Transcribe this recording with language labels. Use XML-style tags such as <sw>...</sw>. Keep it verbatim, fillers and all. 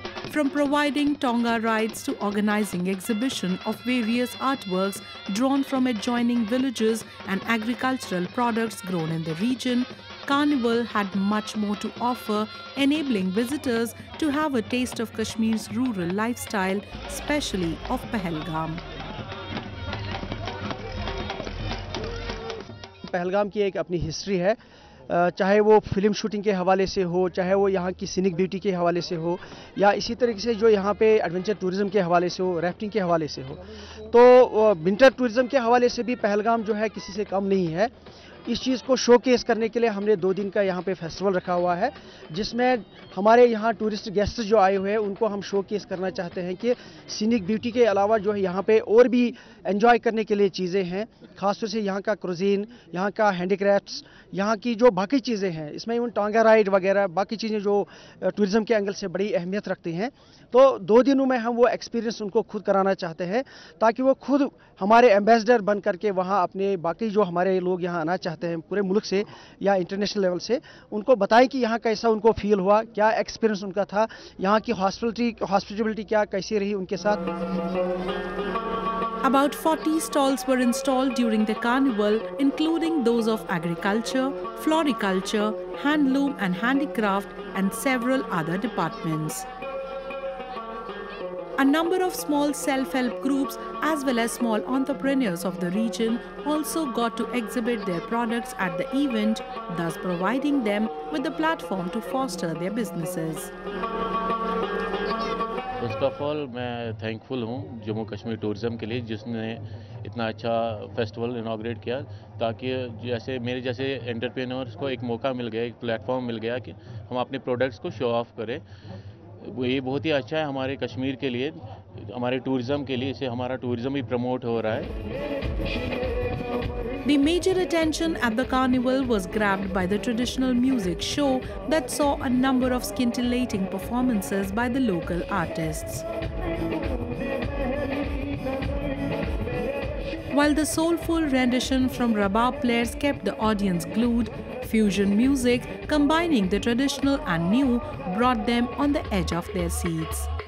<en>From providing Tonga rides to organizing exhibition of various artworks drawn from adjoining villages and agricultural products grown in the region, Carnival had much more to offer, enabling visitors to have a taste of Kashmir's rural lifestyle, especially of Pahalgam.</en> <hi>Pahalgam की एक अपनी history है, चाहे वो film shooting के हवाले से हो, चाहे वो यहाँ की सीनिक ब्यूटी के हवाले से हो, या इसी तरीके से जो यहाँ पे एडवेंचर टूरिज़म के हवाले से हो, राफ्टिंग के हवाले से हो, तो विंटर टूरिज़म के हवाले से भी पहलगाम जो है किसी से कम नहीं है। इस चीज़ को शोकेस करने के लिए हमने दो दिन का यहाँ पे फेस्टिवल रखा हुआ है, जिसमें हमारे यहाँ टूरिस्ट गेस्ट जो आए हुए हैं उनको हम शोकेस करना चाहते हैं कि सीनिक ब्यूटी के अलावा जो है यहाँ पे और भी एंजॉय करने के लिए चीज़ें हैं, खासतौर से यहाँ का क्रोजीन, यहाँ का हैंडीक्राफ्ट्स, यहाँ की जो बाकी चीज़ें हैं, इसमें इवन टांगा राइड वगैरह बाकी चीज़ें जो टूरिज़म के एंगल से बड़ी अहमियत रखती हैं। तो दो दिनों में हम वो एक्सपीरियंस उनको खुद कराना चाहते हैं, ताकि वो खुद हमारे एम्बेसडर बन करके वहाँ अपने बाकी जो हमारे लोग यहाँ आना चाहते हैं पूरे मुल्क से या इंटरनेशनल लेवल से, उनको बताएं कि यहाँ कैसा उनको फील हुआ, क्या एक्सपीरियंस उनका था, यहाँ की हॉस्पिटलिटी हॉस्पिटेबिलिटी क्या कैसी रही उनके साथ।</hi> <en>About forty stalls were installed during the carnival, including those of agriculture, floriculture, handloom and handicraft, and several other departments. A number of small self-help groups as well as small entrepreneurs of the region also got to exhibit their products at the event, thus providing them with a platform to foster their businesses. First of all</en> <hi>मैं thankful हूँ Jammu Kashmir tourism के लिए, जिसने इतना अच्छा festival inaugurate किया, ताकि जैसे मेरे जैसे एंटरप्रेन्योर्स को एक मौका मिल गया, एक प्लेटफॉर्म मिल गया कि हम अपने प्रोडक्ट्स को शो ऑफ करें। ये बहुत ही अच्छा है हमारे कश्मीर के लिए, हमारे टूरिज़म के लिए, इससे हमारा टूरिज़म भी प्रमोट हो रहा है।</hi> <en>The major attention at the carnival was grabbed by the traditional music show that saw a number of scintillating performances by the local artists. While the soulful rendition from Rabab players kept the audience glued, fusion music combining the traditional and new brought them on the edge of their seats.</en>